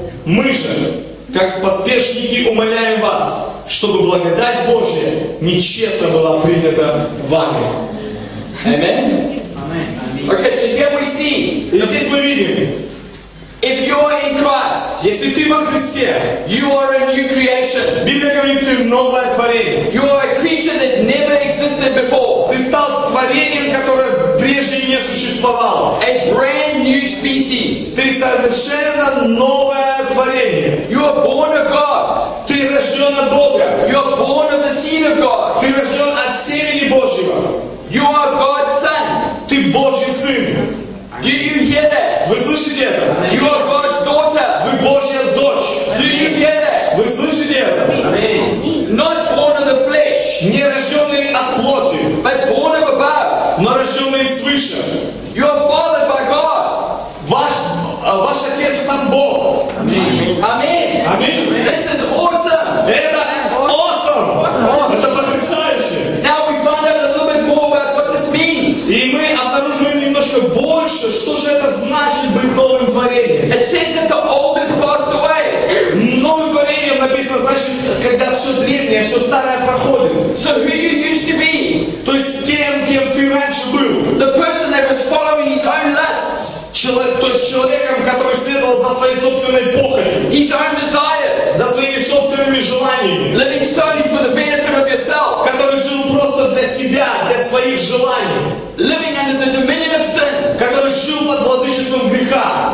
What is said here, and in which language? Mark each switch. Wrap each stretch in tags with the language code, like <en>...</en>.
<ru>Мы же, как поспешники, умоляем вас, чтобы благодать Божия не тщетно была принята вами.</ru> <en>Аминь. Okay, so here we see.</en> <ru>И здесь мы видим.</ru> <en>If you are in Christ,</en> <ru>если ты во Христе,</ru> <en>you are a new creation.</en> <ru>Библия говорит, ты новое творение.</ru> <en>You are a creature that never existed before.</en> <ru>Ты стал творением, которое прежде не существовало.</ru> <en>A brand new species.</en> <ru>Ты совершенно новое.</ru> <en>You are born of God.</en> <ru>Ты рожден от Бога.</ru> <en>You are born of the seed of God.</en> <ru>Ты рожден от семени Божьего.</ru> <en>You are God's son.</en> <ru>Ты Божий сын.</ru> <en>Do you hear that?</en> <ru>Вы слышите это?</ru> <en>You are God's daughter.</en> <ru>Вы Божья дочь. Вы слышите это?</ru> <en>Amen. Not born of the flesh.</en> <ru>Не рожденный от плоти.</ru> <en>But born of above.</en> <ru>Но рожденный свыше.</ru> <en>You are fathered by God.</en> <ru>Ваш отец сам Бог.</ru> <en>Amen. Amen. Amen. This is awesome.</en> <ru>Это</ru> <en>awesome.</en> <ru>Это потрясающе.</ru> <en>Now we find out a little bit more about what this means.</en> <ru>И мы обнаруживаем немножко больше, что же это значит быть новым творением.</ru> <en>It says that the old is passed away.</en> <ru>Новым творением написано, значит, когда все древнее, все старое проходит.</ru> <en>So who you used to be?</en> <ru>То есть тем, кем ты раньше был.</ru> <en>The person that was following his own lusts.</en> <ru>То есть человеком, который следовал за своей собственной похотью. За своими собственными желаниями. Который жил просто для себя, для своих желаний. Который жил под владычеством греха.</ru>